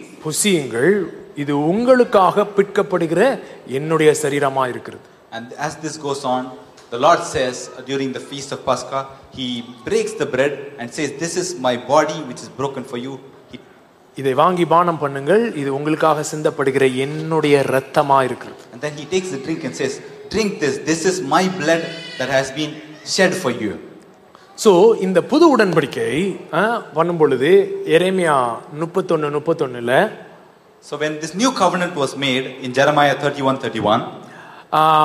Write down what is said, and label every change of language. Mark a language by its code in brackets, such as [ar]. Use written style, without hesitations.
[ta] புசியுங்கள், இது உங்களுக்காக பிட்கப்படுகிற என்னுடைய சரீரமாக இருக்கிறது. [en] And as this goes on, the Lord says during the feast of Pascha, he breaks the bread and says, this is my body which is broken for you. [ta] இதை வாங்கி பானம் பண்ணுங்கள், இது உங்களுக்காக சிந்தப்படுகிற என்னுடைய இரத்தமாக இருக்கிறது. [en] And then he takes the drink and says, drink this, this is my blood that has been shed for you. [ta] So இந்த புது உடன்படிக்கை பண்ணும் பொழுது எரேமியா 31:31 [en] So when this new covenant was made in Jeremiah 31:31